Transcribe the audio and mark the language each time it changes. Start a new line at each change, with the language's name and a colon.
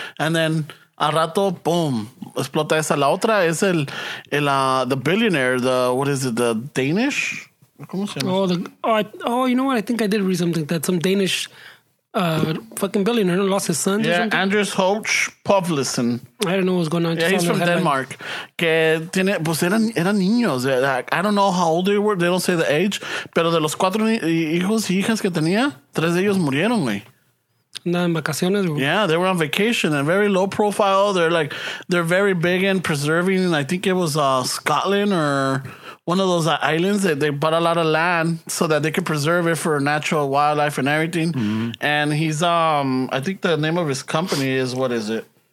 English: And then
Spanish: a rato, boom, explota esa. La otra es
English: the billionaire, the Danish? You know what? I think I did read something that some Danish fucking billionaire lost his son. Yeah, Anders Hauch Povlesen. I don't know what's going on. Yeah, he's from Denmark.
Spanish: Que tiene, pues eran niños.
English: Like, I don't know how old they were. They don't say the age.
Spanish: Pero de los cuatro hijos y hijas que tenía, tres de ellos murieron, güey.
English: Yeah, they were on vacation and very low profile. They're very big in preserving. I think it was Scotland or one of those islands that they bought a lot of land so that they could preserve it for natural wildlife and everything. Mm-hmm. And he's, I think the name of his company is, what is it?